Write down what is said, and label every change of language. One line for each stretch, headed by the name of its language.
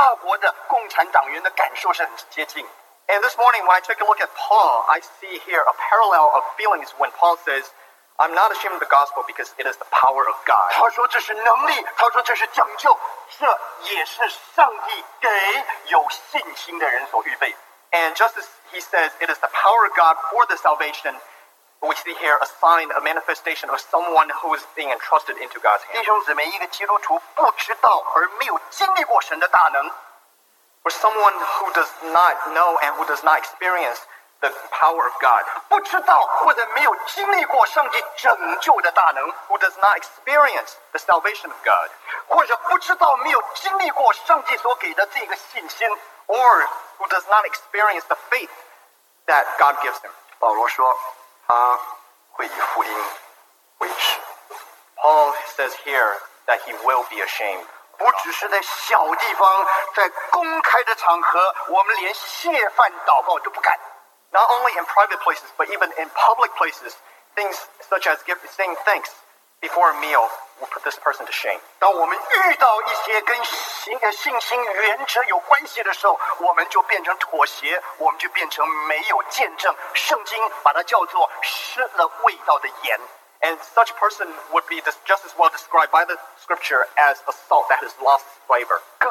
Chinese: 我想保罗在哥林多在罗马书第一章讲到福音是神的大能的时候，他的感受跟这一个法国的共产党员的感受是很接近。
English: And this morning, when I took a look at Paul, I see here a parallel of feelings when Paul says, I'm not ashamed of the gospel because it is the power of God.
Chinese: 他说这是能力，他说这是拯救，这也是上帝给有信心的人所预备。
English: And just as he says, it is the power of God for the salvation, we see here a sign, a manifestation of someone who is being entrusted into God's hand.
Chinese: 弟兄姊妹，一个基督徒不知道而没有经历过神的大能。
English: For someone who does not know and who does not experience the power of God,
Chinese: 不知道或者没有经历过上帝拯救的大能,
English: who does not experience the salvation of God,
Chinese: 或者不知道没有经历过上帝所给的这个信心,
English: or who does not experience the faith that God gives him,
Chinese: 保罗说他会以福音为耻。
English: Paul says here that he will be ashamed.
Chinese: 不只是在小地方，在公开的场合，我们连谢饭祷告都不敢。
English: Not only in private places, but even in public places, things such as saying thanks before a meal will put this person to shame.
Chinese: 当我们遇到一些跟信心原则有关系的时候，我们就变成妥协，我们就变成没有见证。圣经把它叫做失了味道的盐。
English: And such person would be just as well described by the scripture as a salt that has lost flavor.